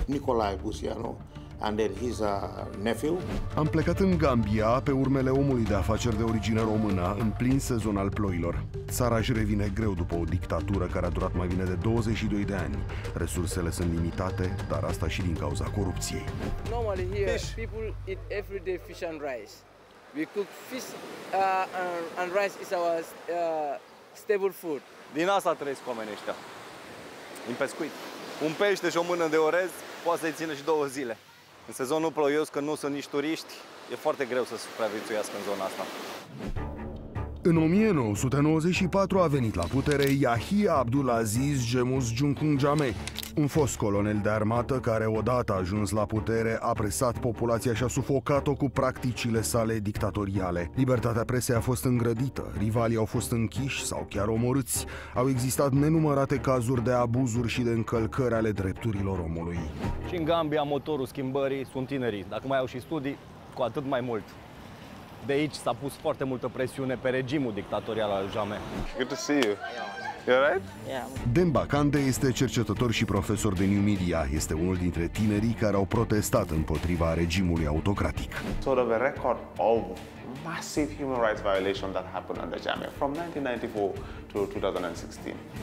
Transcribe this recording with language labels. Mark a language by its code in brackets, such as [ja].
[en] Nicolae Buzăianu. And his nephew. [ro] Am plecat în Gambia pe urmele omului de afaceri de origine română, în plin sezon al ploilor. Țara își revine greu după o dictatură care a durat mai bine de 22 de ani. Resursele sunt limitate, dar asta și din cauza corupției. [en] Normally here people eat every day fish and rice. We cook fish and rice is our staple food. [ro] Din asta trăiesc oamenii ăștia. Din pescuit. Un pește și o mână de orez poate să-i țină și 2 zile. În sezonul ploios, când nu sunt nici turiști, e foarte greu să supraviețuiască în zona asta. În 1994 a venit la putere Yahya Abdulaziz Jemus Junkun Jammeh, un fost colonel de armată care, odată ajuns la putere, a presat populația și a sufocat-o cu practicile sale dictatoriale. Libertatea presei a fost îngrădită, rivalii au fost închiși sau chiar omorâți, au existat nenumărate cazuri de abuzuri și de încălcări ale drepturilor omului. Și în Gambia, motorul schimbării sunt tinerii. Dacă mai au și studii, cu atât mai mult. De aici s-a pus foarte multă presiune pe regimul dictatorial al Jammeh. [en] Good to see you. You alright? Yeah. [ro] Demba Kande este cercetător și profesor de New Media. Este unul dintre tinerii care au protestat împotriva regimului autocratic. [en] Sort of a record of massive human rights violation that happened under Jammeh from 1994 to 2016.